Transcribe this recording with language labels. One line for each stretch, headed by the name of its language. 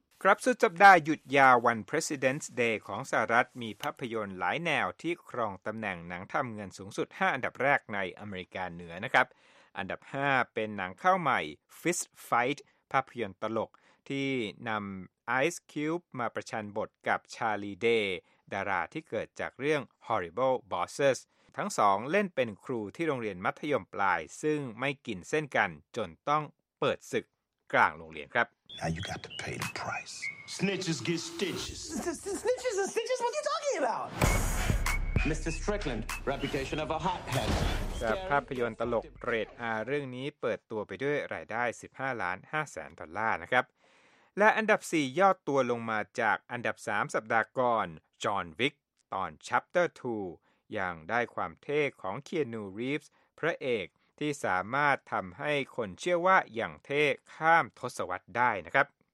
Thai: ครับสุดสัปดาห์หยุดยาววัน President's Day ของสหรัฐมีภาพยนตร์หลายแนวที่ครองตำแหน่งหนังทำเงินสูงสุด5อันดับแรกในอเมริกาเหนือนะครับอันดับ5เป็นหนังเข้าใหม่ Fist Fight ภาพยนตร์ตลกที่นำ Ice Cube มาประชันบทกับ Charlie Day ดาราที่เกิดจากเรื่อง Horrible Bosses ทั้งสองเล่นเป็นครูที่โรงเรียนมัธยมปลายซึ่งไม่กินเส้นกันจนต้องเปิดศึกกลางโรงเรียนครับ
English: Now you got to pay the price. Snitches get stitches. Snitches and stitches? What are you talking about? Mr. Strickland, reputation of a hothead.
Thai: ภาพยนตร์ตลกเรทอาร์เรื่องนี้เปิดตัวไปด้วยรายได้$15,500,000นะครับและอันดับ4ยอดตัวลงมาจากอันดับ3สัปดาห์ก่อน John Wick ตอน Chapter 2อย่างได้ความเท่ของ Keanu Reeves พระเอกที่สามารถทำให้คนเชื่อว่าอย่างเท่ข้ามทศวรรษได้นะครับ